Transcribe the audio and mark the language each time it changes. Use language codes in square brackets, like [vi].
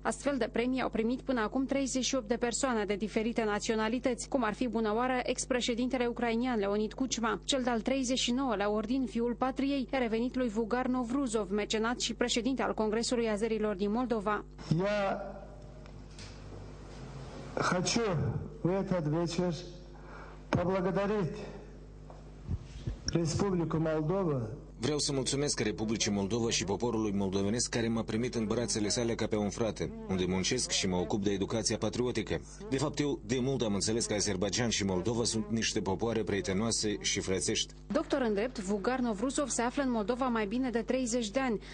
[ro] Astfel de premii au primit până acum 38 de persoane de diferite naționalități, cum ar fi bunăoară ex-președintele ucrainian Leonid Kuchma. Cel de-al 39-lea Ordin Fiul Patriei revenit lui Vugar Novruzov, mecenat și președinte al Congresului Azerilor din Moldova. [ru] Я хочу в этот вечер поблагодарить Республику Молдова. [ro] Vreau să mulțumesc Republicii Moldova și poporului moldovenesc care m-a primit în brațele sale ca pe un frate, unde muncesc și mă ocup de educația patriotică. De fapt, eu de mult am înțeles că Azerbaidjan și Moldova sunt niște popoare prietenoase și frățești. Doctor în drept, Vugar Novruzov se află în Moldova mai bine de 30 de ani.